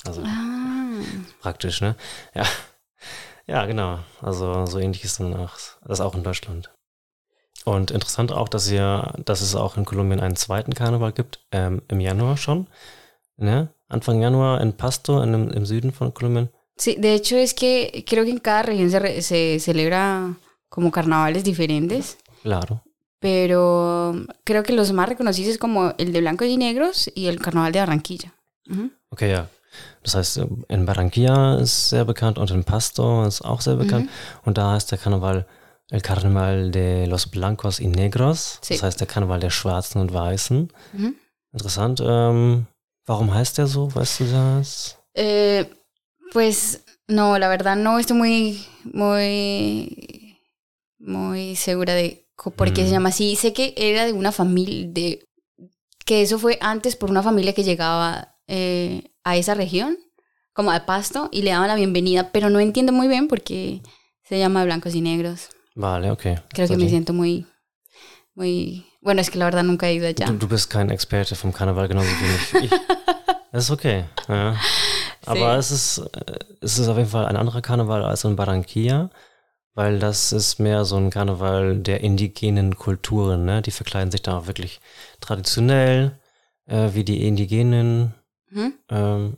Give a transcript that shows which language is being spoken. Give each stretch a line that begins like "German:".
German: Also praktisch, ne? Ja. Ja, genau. Also so ähnlich ist dann auch das auch in Deutschland. Und interessant auch, dass es auch in Kolumbien einen zweiten Karneval gibt, im Januar schon, ne? Anfang Januar in Pasto, im Süden von Kolumbien.
Spanish: Sí, de hecho es que creo que en cada región se celebra como carnavales diferentes. Claro. Pero creo que los más reconocidos es como el de blancos y negros y el carnaval de Barranquilla.
German: Uh-huh. Okay, ja. Das heißt, in Barranquilla ist sehr bekannt und in Pasto ist auch sehr bekannt. Uh-huh. Und da heißt der Karneval...
Spanish: El Carnaval de los Blancos y Negros, sí.
German: Das heißt der Karneval der Schwarzen und Weißen. Mhm. Interessant. Warum heißt der so? Weißt du das?
Spanish: Pues no, la verdad no estoy muy segura de por qué se llama así. Sé que era de una familia, que eso fue antes por una familia que llegaba a esa región, como al Pasto, y le daban la bienvenida, pero no entiendo muy bien por qué se llama Blancos y Negros. Vale, okay. Creo que me siento muy, muy... Bueno, es que la verdad nunca he ido allá.
German: Du bist kein Experte vom Karneval, genauso wie ich. Das ist okay. Ja. Aber sí. es ist auf jeden Fall ein anderer Karneval als in Barranquilla, weil das ist mehr so ein Karneval der indigenen Kulturen, ne? Die verkleiden sich da auch wirklich traditionell, wie die Indigenen. Hm?